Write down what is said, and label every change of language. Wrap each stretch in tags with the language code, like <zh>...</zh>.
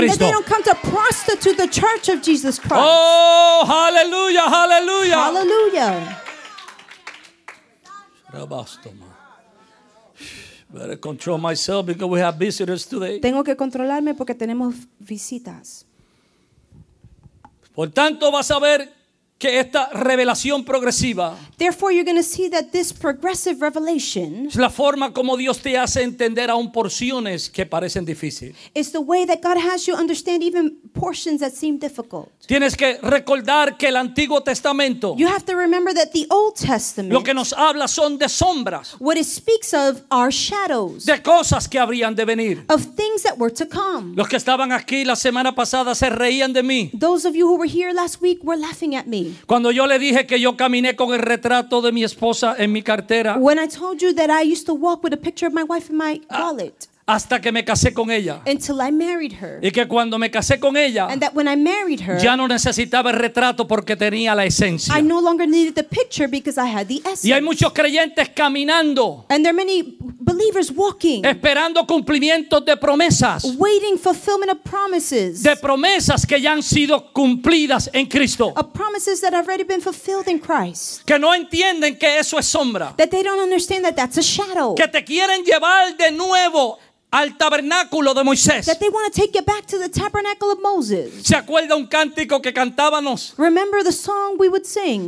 <en>And that they don't come to prostitute the church of Jesus Christ. Oh, hallelujah, hallelujah. Hallelujah. Rabastoma. Better control myself because we have visitors today.</en> <es>Tengo que controlarme porque tenemos visitas. Por tanto, vas a ver que esta revelación progresiva.</es> <en>Therefore, you're going to see that this progressive revelation.</en> <es>Es la forma como Dios te hace entender aún porciones que parecen difíciles.</es> <en>It's the way that God has you understand even portions that seem difficult.</en> <es>Tienes que recordar que el Antiguo Testamento.</es> <en>You have to remember that the Old Testament.</en> <es>Lo que nos habla son de sombras.</es> <en>What it speaks of are shadows.</en> <es>De cosas que habrían de venir.</es> <en>Of things that were to come.</en> <es>Los que estaban aquí la semana pasada se reían de mí.</es> <en>Those of you who were here last week were laughing at me.</en> <es>Cuando yo le dije que yo caminé con el retrato de mi esposa en mi cartera.</es> <en>When I told you that I used to walk with a picture of my wife in my wallet.</en> <es>Hasta que me casé con ella.</es> <en>Until I married her.</en> <es>Y que cuando me casé con ella.</es> <en>And that when I married her.</en> <es>Ya no necesitaba el retrato porque tenía la esencia.</es> <en>I no longer needed the picture because I had the essence.</en> <es>Y hay muchos creyentes caminando.</es> <en>And there are many believers walking.</en> <es>Esperando cumplimientos de promesas.</es> <en>Waiting fulfillment of promises.</en> <es>De promesas que ya han sido cumplidas en Cristo.</es> <en>Of promises that have already been fulfilled in Christ.</en> <es>Que no entienden que eso es sombra.</es> <en>That they don't understand that that's a shadow.</en> <es>Que te quieren llevar de nuevo. Al tabernáculo de Moisés.</es> <en>That they want to take you back to the tabernacle of Moses.</en> <es>¿Se acuerda un cántico que cantábamos?</es> <en>Remember the song we would sing.</en>